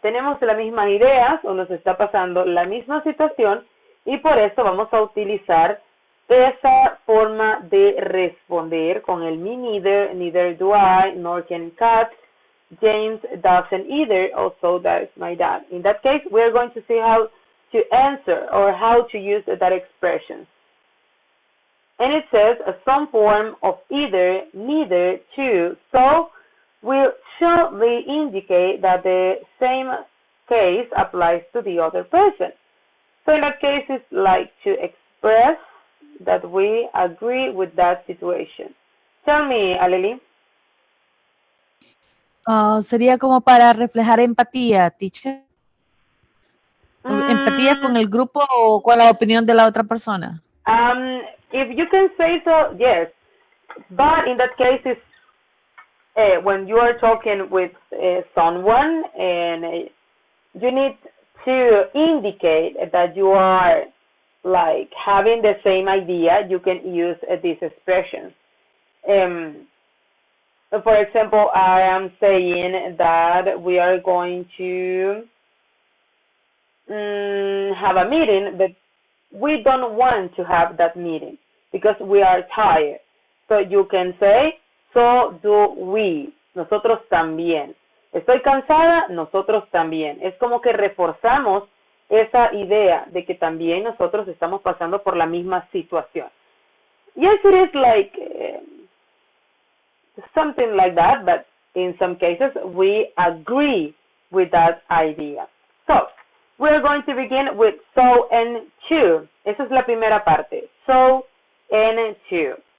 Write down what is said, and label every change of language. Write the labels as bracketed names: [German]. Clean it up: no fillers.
[Spanish] Tenemos las mismas ideas o nos está pasando la misma situación y por eso vamos a utilizar esa forma de responder con el [English] me neither, neither do I, nor can cut, James doesn't either, or so does my dad. In that case, we are going to see how to answer or how to use that expression. And it says some form of either, neither, too, so will surely indicate that the same case applies to the other person. So in that case, it's like to express that we agree with that situation. Tell me, Aleli. [Spanish] Sería como para reflejar empatía, teacher. Empatía con el grupo o con la opinión de la otra persona. [English] If you can say so, yes. But in that case, it's when you are talking with someone and you need to indicate that you are like having the same idea, you can use this expression. For example, I am saying that we are going to have a meeting, but we don't want to have that meeting because we are tired. So you can say, so do we, [Spanish] nosotros también. Estoy cansada, nosotros también. Es como que reforzamos esa idea de que también nosotros estamos pasando por la misma situación. [English] Yes, it is like something like that, but in some cases we agree with that idea. So, we're going to begin with so and to. [Spanish] Esa es la primera parte. So and to.